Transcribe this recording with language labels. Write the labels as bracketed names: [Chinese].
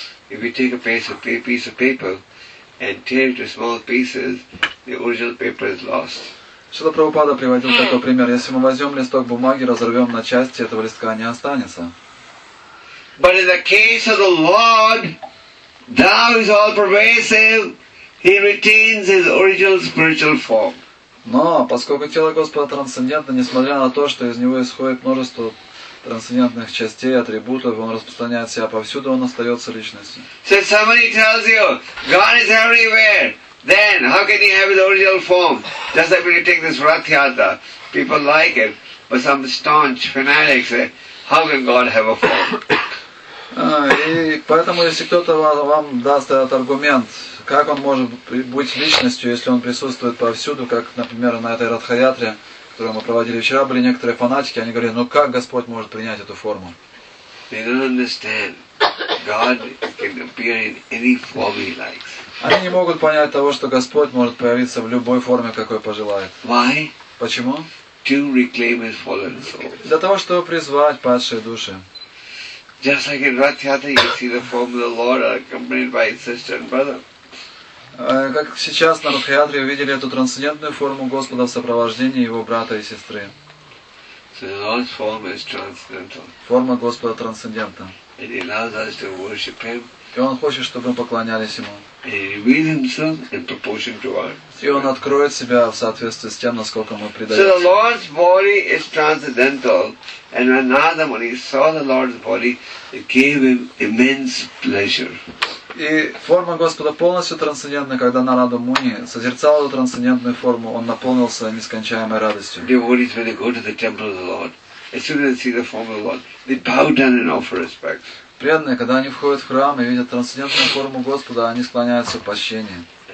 [English] If you take a piece of paper and tear it to small pieces, the original paper is lost. [Russian] Шрила Прабхупада приводил такой пример. Если мы возьмем листок бумаги, разорвем на части, этого листка не останется. [English] But in the case of the Lord, Thou is all pervasive, He retains His original spiritual form. [Russian] Но поскольку тело Господа трансцендентно, несмотря на то, что из него исходит множество трансцендентных частей, атрибутов, он распространяет себя повсюду, он остается личностью. [English] So somebody tells you, God is everywhere, then how can He have His original form? Just like when you take this Rath Yatra, people like it, but some staunch fanatics say, how can God have a form? [Russian] И поэтому, если кто-то вам даст этот аргумент, как он может быть личностью, если он присутствует повсюду, как, например, на этой Радхаятре, которую мы проводили вчера, были некоторые фанатики, они говорили, ну как Господь может принять эту форму? [English] They don't understand. God can appear in any form He likes. [Russian] Они не могут понять того, что Господь может появиться в любой форме, какой пожелает. [English] Why? [Russian] Почему? [English] To reclaim His fallen souls. [Russian] Для того, чтобы призвать падшие души. [English] Just like in Rath Yatra, you see the form of the Lord accompanied by His sister and brother. [Russian] Как сейчас на Рath Yatra увидели эту трансцендентную форму Господа в сопровождении Его брата и сестры. [English] So the Lord's form is transcendental. [Russian] Форма Господа трансцендента. [English] And He allows us to worship Him. [Russian] И Он хочет, чтобы мы поклонялись Ему. [English] And He reveals Himself in proportion to our. [Russian] И Он откроет себя в соответствии с тем, насколько мы предаемся. [English] So the Lord's body is transcendental, and when Narada Muni saw the Lord's body, it gave him immense pleasure. [Russian] И форма Господа полностью трансцендентна, когда Нарада Муни созерцал эту трансцендентную форму, он наполнился нескончаемой радостью. [English] Devotees, when they go to the temple of the Lord, as soon as they see the form of the Lord, they bow down and offer respects. [Russian] Преданные, когда они входят в храм и видят трансцендентную форму Господа, они склоняются в почтении.